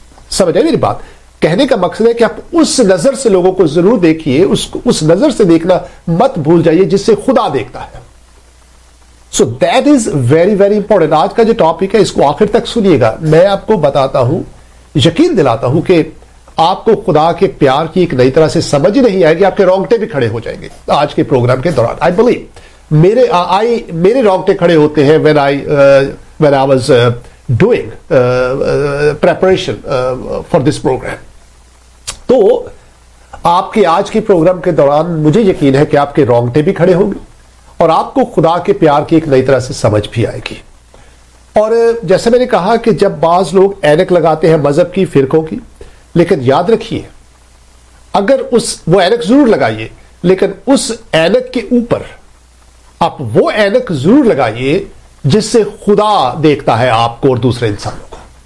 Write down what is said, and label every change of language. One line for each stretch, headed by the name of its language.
Urdu: سمجھ آئے میری بات؟ کہنے کا مقصد ہے کہ آپ اس نظر سے لوگوں کو ضرور دیکھیے, اس نظر سے دیکھنا مت بھول جائیے جس سے خدا دیکھتا ہے.
English: So that is very very important.
Urdu: آج کا جو ٹاپک ہے اس کو آخر تک سنیے گا. میں آپ کو بتاتا ہوں, یقین دلاتا ہوں کہ آپ کو خدا کے پیار کی ایک نئی طرح سے سمجھ ہی نہیں آئے گی, آپ کے رونگٹے بھی کھڑے ہو جائیں گے آج کے پروگرام کے دوران.
English: I believe
Urdu: میرے رونگٹے کھڑے ہوتے ہیں
English: when I was doing preparation for this program.
Urdu: تو آپ کے آج کے پروگرام کے دوران مجھے یقین ہے کہ آپ کے رونگٹے بھی کھڑے ہوں گے, اور آپ کو خدا کے پیار کی ایک نئی طرح سے سمجھ بھی آئے گی. اور جیسے میں نے کہا کہ جب بعض لوگ عینک لگاتے ہیں مذہب کی فرقوں کی, لیکن یاد رکھیے اگر وہ عینک ضرور لگائیے, لیکن اس عینک کے اوپر آپ وہ عینک ضرور لگائیے جس سے خدا دیکھتا ہے آپ کو اور دوسرے انسانوں کو.